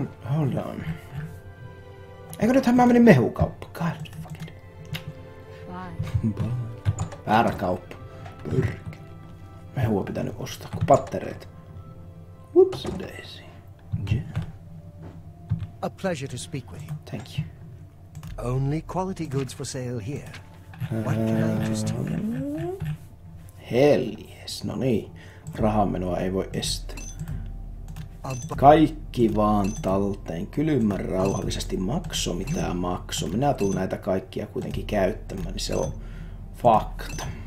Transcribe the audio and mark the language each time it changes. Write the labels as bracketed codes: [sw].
[en] Hold on. [fi] Eikö nythän mä menin mehukauppa? [en] God fucking... Bye. [fi] Väärä kauppa. Pyrki. Mehua pitänyt ostaa, kun pattereet. [en] Whoopsie daisy. Yeah. A pleasure to speak with you. Thank you. Only quality goods for sale here. What can I interest you in? Hell yes. [fi] No niin. Rahanmenoa ei voi estää. Kaikki vaan talteen. Kylmän rauhallisesti. Makso mitä makso. Minä tuun näitä kaikkia kuitenkin käyttämään, niin se on fakta.